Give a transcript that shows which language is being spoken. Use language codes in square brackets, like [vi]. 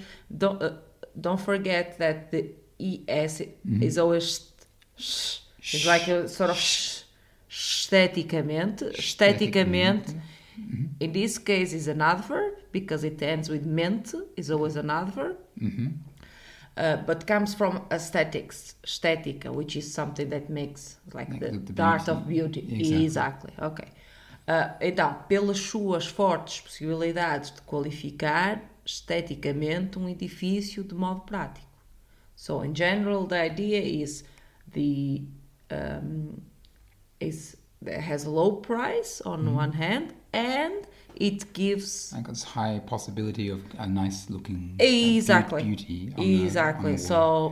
[en] Don't forget that the ES is always it's like a sort of esteticamente. [pt] Esteticamente. Mm-hmm. [en] In this case is an adverb because it ends with mente, is always an adverb. Mm-hmm. But comes from aesthetics, estética, which is something that makes like the art of beauty. Exactly. Exactly. Okay. [pt] Então, pelas suas fortes possibilidades de qualificar esteticamente um edifício de modo prático. [en] So, in general, the idea is the is that has a low price on one hand and it gives like it's high possibility of a nice looking exactly beauty exactly. The so